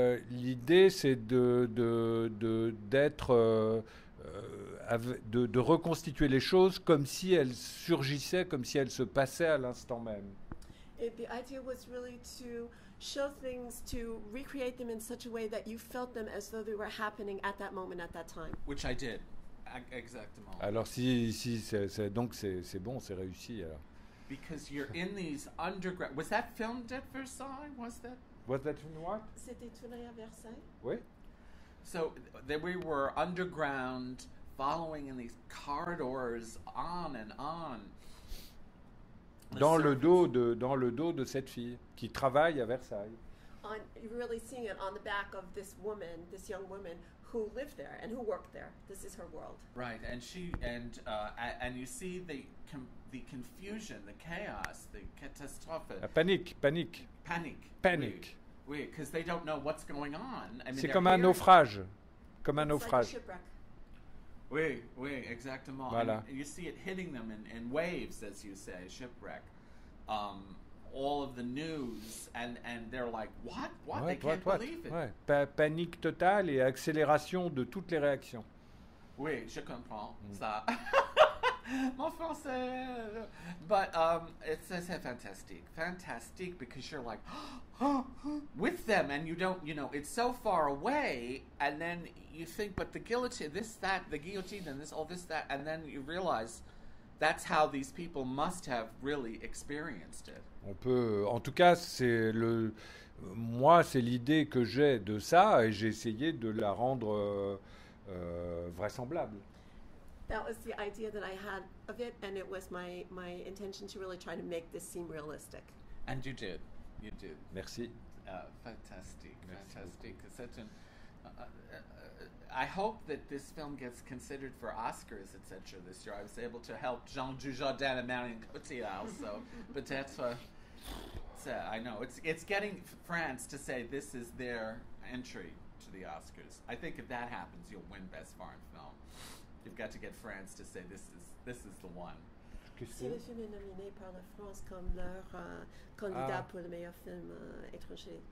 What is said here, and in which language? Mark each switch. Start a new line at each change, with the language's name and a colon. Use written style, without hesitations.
French: L'idée, c'est de reconstituer les choses comme si elles surgissaient, comme si elles se passaient à l'instant même.
English: It, the idea was really to show things, to recreate them in such a way that you felt them as though they were happening at that moment, at that time. Which I did, exactement.
French: Alors si c'est, donc c'est bon, c'est réussi alors.
English: Because you're in these underground. Was that filmed at Versailles? Was that tourné what?
French: C'était tourné à Versailles. Oui.
English: So then we were underground, following in these corridors on and on.
French: Dans le dos de cette fille qui travaille à Versailles.
English: On, really seeing it on the back of this woman, this young woman who lived there and who worked there. This is her world. Right, and she and you see the confusion, the chaos, the catastrophe. Panic. Oui, because they don't know what's going on. I mean,
French: c'est comme un naufrage. Comme un naufrage. Oui, oui, exactement. Voilà.
English: And you see it hitting them in waves, as you say, shipwreck. All of the news, and they're like, what? What?
French: Ouais,
English: they can't believe it.
French: Ouais. Panique totale et accélération de toutes les réactions. Oui, je comprends ça. Mon français.
English: But it's fantastic. Fantastic, because you're like, with them, and you don't, you know, it's so far away, and then you think, but the guillotine, this, that, the guillotine, and this, all this, that, and then you realize that's how these people must have really experienced it.
French: On peut, en tout cas, c'est le, moi, c'est l'idée que j'ai de ça, et j'ai essayé de la rendre vraisemblable.
English: That was the idea that I had of it, and it was my intention to really try to make this seem realistic. And you did. You did.
French: Merci.
English: Fantastic. Merci. Fantastic. I hope that this film gets considered for Oscars, etc. this year. I was able to help Jean Dujardin and Marion Cotillard, so peut-être. I know. It's getting France to say this is their entry to the Oscars. I think if that happens, you'll win Best Foreign Film. You've got to get France to say this is the one.
French: Si le film est nominé par la France comme leur candidat pour le meilleur film étranger.